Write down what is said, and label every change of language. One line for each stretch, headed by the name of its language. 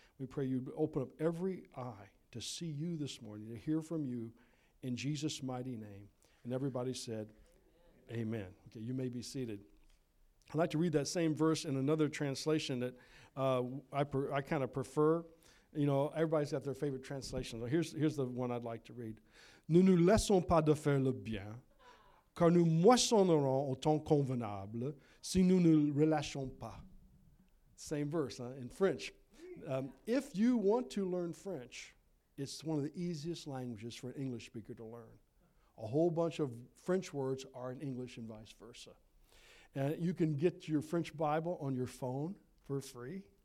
English: We pray you'd open up every eye to see you this morning, to hear from you in Jesus' mighty name. And everybody said, amen. Amen. Okay, you may be seated. I'd like to read that same verse in another translation that I kind of prefer. You know, everybody's got their favorite translation. So here's the one I'd like to read.
French: Nous ne nous laissons pas de faire le bien, car nous moissonnerons au temps convenable si nous ne relâchons pas.
English: Same verse in French. If you want to learn French, it's one of the easiest languages for an English speaker to learn. A whole bunch of French words are in English and vice versa. And you can get your French Bible on your phone for free.